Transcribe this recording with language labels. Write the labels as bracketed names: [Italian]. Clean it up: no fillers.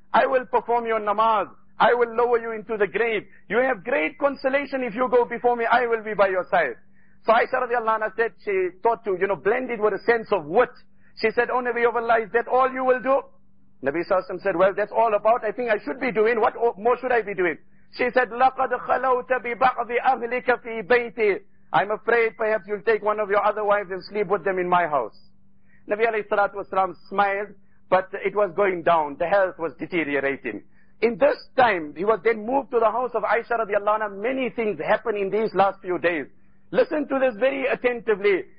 [English] I will perform your namaz. I will lower you into the grave. You have great consolation if you go before me. I will be by your side. So Aisha radiallahu anha said, she thought to, you know, blend it with a sense of wit. She said, O Nabi of Allah, is that all you will do? Nabi Sallallahu Alaihi Wasallam said, well, that's all about. I think I should be doing. What more should I be doing? She said, [Arabic] لَقَدْ خَلَوْتَ بِبَعْضِ أَهْلِكَ فِي بَيْتِي. [English] I'm afraid perhaps you'll take one of your other wives and sleep with them in my house. Nabi alayhi salatu wasalam smiled, but it was going down. The health was deteriorating. In this time, he was then moved to the house of Aisha radiallahu anha. Many things happened in these last few days. Listen to this very attentively.